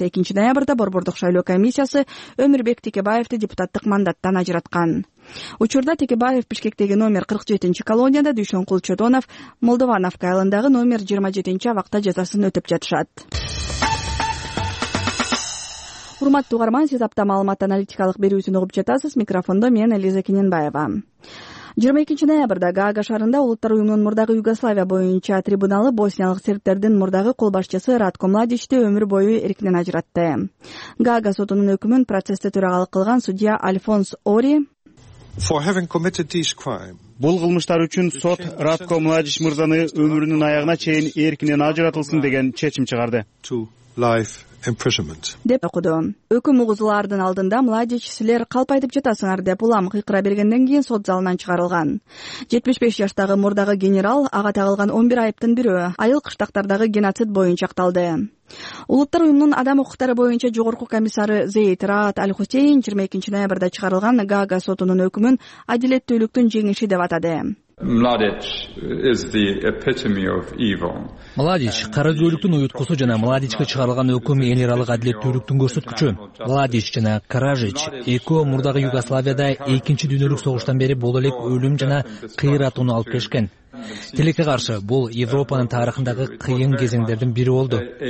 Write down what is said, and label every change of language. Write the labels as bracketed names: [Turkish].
[Kyrgyz] 2 ноябрда борбордук шайлоо комиссиясы Өмүрбек Текебаевди депутаттык мандаттан ажыраткан. Учурда Текебаев Бишкектеги номер 47 колонияда, Дүйшөнкул Чотонов Молдовановка айылындагы номер 27 абакта жазасын өтөп жатышат. Урматтуу угарман, сиз апта маалымат аналитикалык берүүсүн угуп жатасыз. Микрофондо мен Элиза Кененбаева. 22 ноябрда Гаага шаарында Улуттар уюмунун мурдагы Югославия боюнча трибуналы босниялык сербтердин мурдагы колбашчысы Ратко Младичти өмүр бою эркинен ажыратты. Гаага сотунун өкүмүн процессте төрагалык кылган судья Альфонс Ори [English] For having committed these crimes. [Kyrgyz] Бул кылмыштар үчүн сот Ратко Младич мырзаны өмүрүнүн аягына чейин эркинен ажыратылсын деген чечим чыгарды. Деп окуду. Өкүм угузулардын алдында Младич, силер калп айтып жатасыңар деп улам кыйкыра бергенден кийин сот залынан чыгарылган. 75 жаштагы мурдагы генерал ага тагылган 11 айыптын бирөө айыл кыштактардагы геноцид боюнча акталды. Улуттар уюмунун адам укуктары боюнча жогорку комиссары Зейд Раат Аль-Хусейн 22 ноябрда чыгарылган Гаага сотунун өкүмүн адилеттүүлүктүн жеңиши деп атады. [English] Младич is the epitome of evil. [Kyrgyz] Младич каракөйлүктүн уюткусу жана Младичке чыгарылган өкүм эл аралык адилеттүүлүктүн көрсөткүчү. Младич жана Каражич экөө мурдагы Югославияда 2-чи дүйнөлүк согуштан бери боло элек өлүм жана кыйратууну алып келишкен. Тилекке каршы, бул Европанын тарыхындагы кыйын кезеңдердин бири болду.